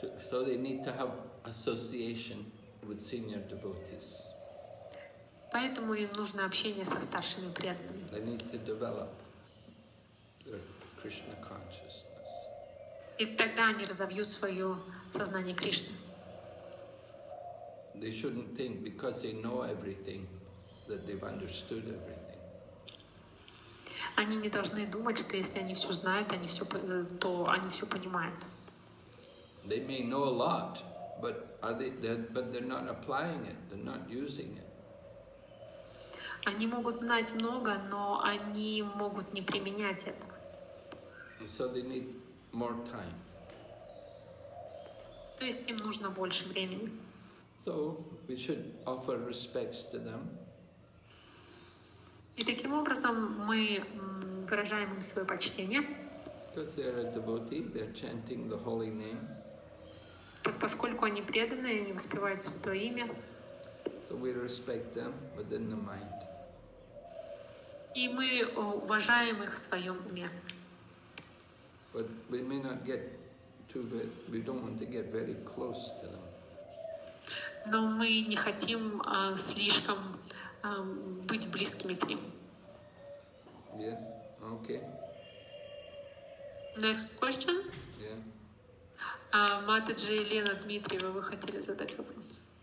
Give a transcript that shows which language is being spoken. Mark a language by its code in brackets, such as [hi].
[en] So they need to have association with senior devotees. [ru] Поэтому им нужно общение со старшими преданными. [en] They need to develop their Krishna consciousness. [ru] И тогда они разовьют свое сознание Кришны. [en] They shouldn't think because they know everything that they've understood everything. [ru] Они не должны думать, что если они все знают, они все, то они все понимают. [en] They may know a lot, but they're not applying it, they're not using it. [ru] Они могут знать много, но они могут не применять это. [en] So they need more time. [ru] То есть им нужно больше времени. [en] So we should offer respects to them. [ru] И таким образом мы выражаем им свое почтение. [en] Because they are a devotee, they are chanting the holy name. [ru] Так поскольку они преданные, они воспевают святое имя. [en] So we respect them within the mind. [ru] И мы уважаем их в своем уме. [en] But we may not get too very, we don't want to get very close to them. [ru] Но мы не хотим слишком быть близкими к ним. [en] Yeah. Okay. Next question. Yeah. [ru] Матаджи, Елена, Дмитриева, вы хотели задать вопрос?